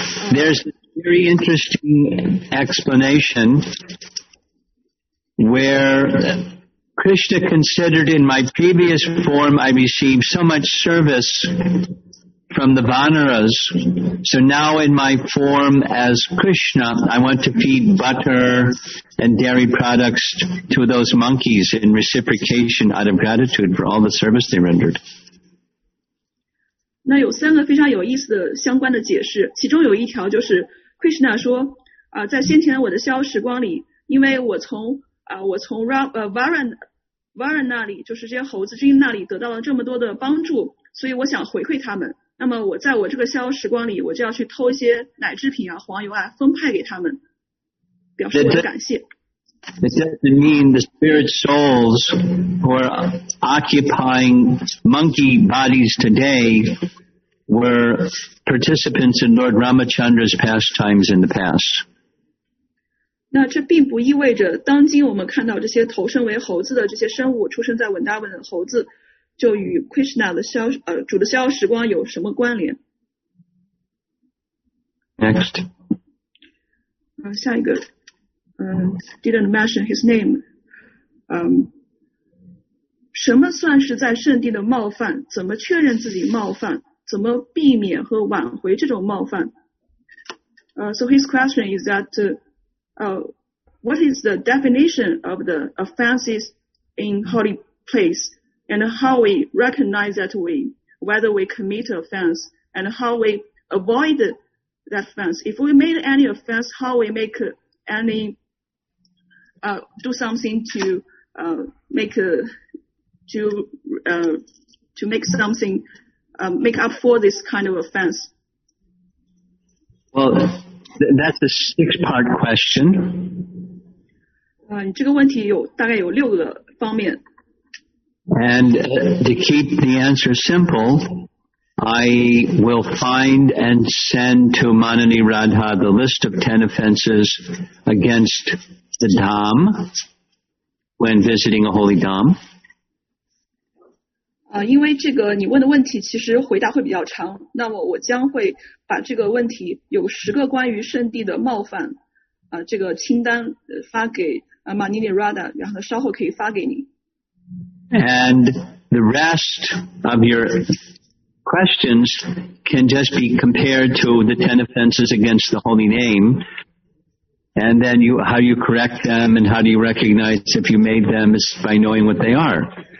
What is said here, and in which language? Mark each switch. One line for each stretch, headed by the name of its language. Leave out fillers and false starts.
English: There's very interesting explanation where Krishna considered in my previous form I received so much service from the Vanaras. So now in my form as Krishna, I want to feed butter and dairy products to those monkeys in reciprocation out of gratitude for all the service they rendered.
Chinese: 那有三个非常有意思的相关的解释，其中有一条就是 Krishna 说，在先前我的逍遥时光里，因为我从 Varan 那里，就是这些猴子精那里得到了这么多的帮助，所以我想回馈他们。那么我在我这个逍遥时光里，我就要去偷一些奶制品啊、黄油啊，分派给他们，表示我的感谢。
English: It doesn't mean the spirit souls who are occupying monkey bodies today were participants in Lord Ramachandra's pastimes in the past.
Chinese: 那这并不意味着当今我们看到这些投身为猴子的这些生物出生在文达文的猴子就与 Krishna 的消主的逍遥时光有什么关联。
English: Next.
Chinese: 下一个。
English: Didn't mention his name.
Chinese: 什么算是在圣地的冒犯？怎么确认自己冒犯？怎么避免和挽回这种冒犯？
English: So his question is that, what is the definition of the offenses in holy place, and how we recognize that we whether we commit offense, and how we avoid that offense? If we made any offense, how we make anydo something make up for this kind of offense? Well, that's a six-part question.
Chinese: 这个问题有大概有六个方面。
English: And to keep the answer simple, I will find and send to Manani Radha the list of 10 offenses against the Dham when visiting a holy Dham.
Chinese: 因为这个你问的问题其实回答会比较长，那么我将会把这个问题有十个关于圣地的冒犯这个清单发给Manini Radha， 然后稍后可以发给你。
English: And the rest of your questions can just be compared to the 10 offenses against the holy name. And then you, how you correct them and how do you recognize if you made them is by knowing what they are.